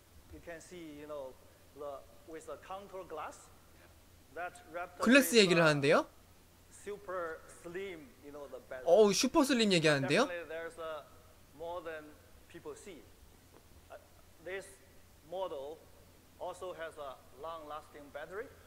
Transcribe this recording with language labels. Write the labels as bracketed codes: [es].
[en] You can see, you know, with the contour glass, that wrapped. [ko] 글래스 얘기를 하는데요? [en] Super slim, you know, the bezel. [ko] 슈퍼 슬림 얘기하는데요? [en] More than people see. This model also has a long-lasting battery.